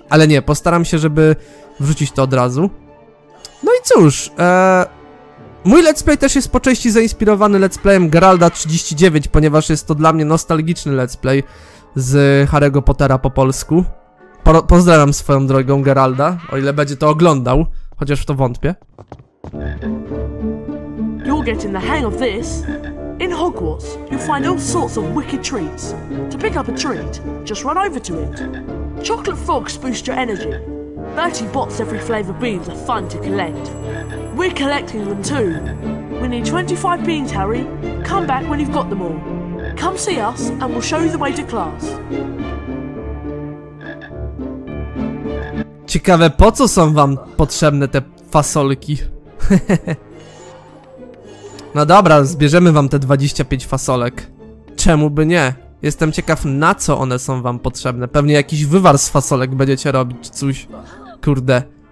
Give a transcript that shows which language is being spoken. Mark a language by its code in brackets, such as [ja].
[pl] Ale nie, postaram się, żeby wrzucić to od razu. No i cóż, mój Let's Play też jest po części zainspirowany Let's Playem Geralda 39, ponieważ jest to dla mnie nostalgiczny Let's Play z Harry'ego Pottera po polsku. Pozdrawiam swoją drogą Geralda, o ile będzie to oglądał, chociaż w to wątpię. [en] You're getting the hang of this. In Hogwarts, you'll find all sorts of wicked treats. To pick up a treat, just run over to it. Chocolate frogs boost your energy. Bertie Bott's every flavor beans are fun to collect. We're collecting them too. We need 25 beans, Harry. Come back when you've got them all. Come see us and we'll show you the way to class. [pl] Ciekawe, po co są wam potrzebne te fasolki? No dobra, zbierzemy wam te 25 fasolek. Czemu by nie? Jestem ciekaw, na co one są wam potrzebne. Pewnie jakiś wywar z fasolek będziecie robić, czy coś. Kurde.